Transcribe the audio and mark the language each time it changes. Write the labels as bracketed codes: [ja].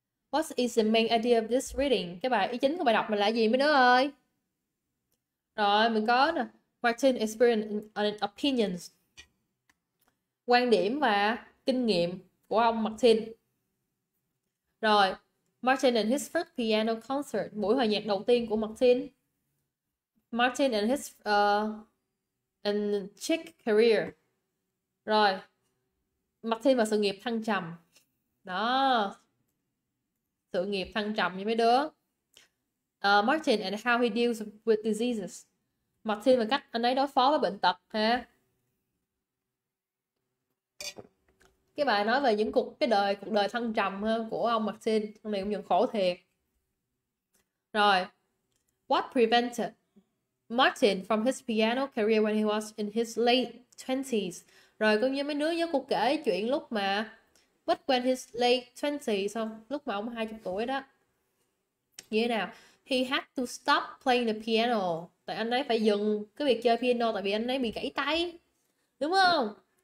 [en] What is the main idea of this reading? [vi] Cái bài ý chính của bài đọc mình là gì mấy đứa ơi? Rồi mình có nè, [en] Martin experience and opinions. [vi] Quan điểm và kinh nghiệm của ông Martin. Rồi, [en] Martin and his first piano concert, [vi] buổi hòa nhạc đầu tiên của Martin. [en] Martin and his and chick career. [vi] Rồi, Martin và sự nghiệp thăng trầm. Đó. Sự nghiệp thăng trầm như mấy đứa. [en] Martin and how he deals with diseases. [vi] Martin và cách anh ấy đối phó với bệnh tật ha. Cái bài nói về những cuộc đời thăng trầm ha, của ông Martin. Ông này cũng nhận khổ thiệt. Rồi. [en] What prevented Martin from his piano career when he was in his late 20s? [vi] Rồi có như mấy đứa nhớ cô kể chuyện lúc mà bất [en] when his late 20s [vi] không? Lúc mà ông 20 tuổi đó. Như thế nào? [en] He had to stop playing the piano. [vi] Tại anh ấy phải dừng cái việc chơi piano tại vì anh ấy bị gãy tay. Đúng không?